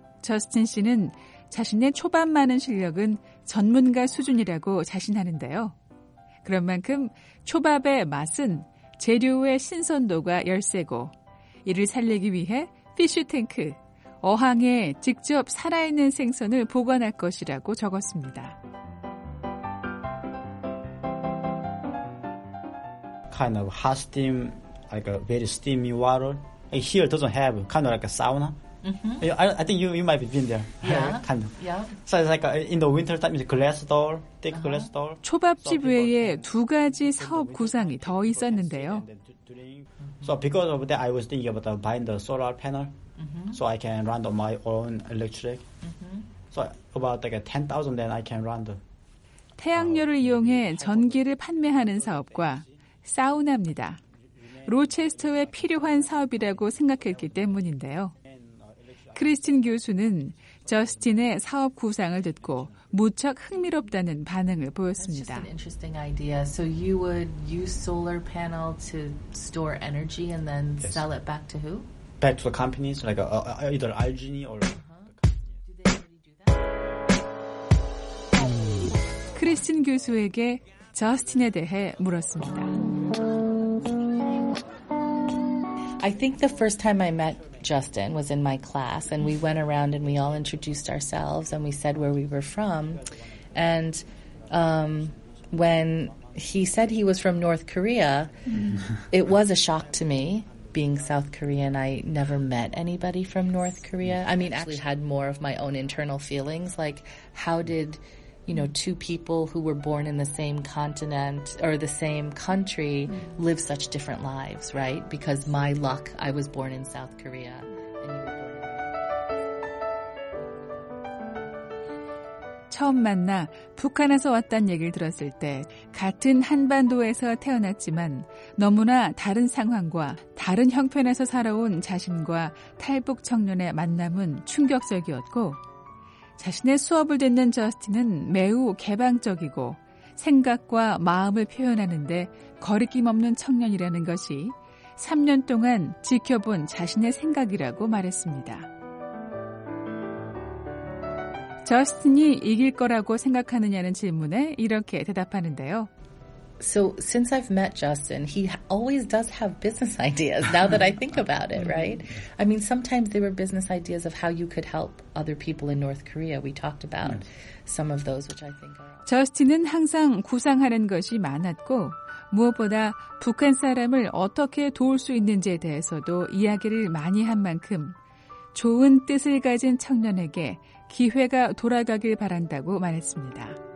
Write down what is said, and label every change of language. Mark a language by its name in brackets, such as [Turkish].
[Korean] 저스틴 씨는 자신의 초밥 많은 실력은 전문가 수준이라고 자신하는데요. 그런 만큼 초밥의 맛은 재료의 신선도가 열쇠고 이를 살리기 위해 피쉬탱크, 어항에 직접 살아있는 생선을 보관할 것이라고 적었습니다. [English] 그 hot steam, like a very steamy water. Here it doesn't have kind of like a sauna. Mm-hmm. I think you might have been there. Yeah. kind of. Yeah. So it's like a, in the winter time, it's a glass door, thick glass door. [Korean] 초밥집 외에 두 가지 사업 구상이 더 있었는데요. [English] So because of that, I was thinking about buying the solar panel, so I can run my own electric. So about like a 10,000, then I can run the. [Korean] 태양열을 이용해 전기를 판매하는 사업과 사우나입니다. 로체스터에 필요한 사업이라고 생각했기 때문인데요. 크리스틴 교수는 저스틴의 사업 구상을 듣고 무척 흥미롭다는 반응을 보였습니다. [English] That's just an interesting idea. So you would use solar panel to store energy and then sell it back to who? Back to the companies, like either Algenie or. [Korean] 크리스틴 교수에게 저스틴에 대해 물었습니다. [English] I think the first time I met Justin was in my class, and we went around and we all introduced ourselves and we said where we were from. And when he said he was from North Korea, it was a shock to me, being South Korean. I never met anybody from North Korea. I mean, actually had more of my own internal feelings, like how did, you know, two people who were born in the same continent or the same country live such different lives, right? Because my luck, I was born in South Korea. [Korean] 처음 만나 북한에서 왔다는 얘기를 들었을 때 같은 한반도에서 태어났지만 너무나 다른 상황과 다른 형편에서 살아온 자신과 탈북 청년의 만남은 충격적이었고 자신의 수업을 듣는 저스틴은 매우 개방적이고 생각과 마음을 표현하는데 거리낌 없는 청년이라는 것이 3년 동안 지켜본 자신의 생각이라고 말했습니다. 저스틴이 이길 거라고 생각하느냐는 질문에 이렇게 대답하는데요. [English] So since I've met Justin, he always does have business ideas now that I think about it, right? I mean, sometimes there were business ideas of how you could help other people in North Korea. We talked about some of those, which I think are... [Korean] 저스틴은 항상 구상하는 것이 많았고, 무엇보다 북한 사람을 어떻게 도울 수 있는지에 대해서도 이야기를 많이 한 만큼 좋은 뜻을 가진 청년에게 기회가 돌아가길 바란다고 말했습니다.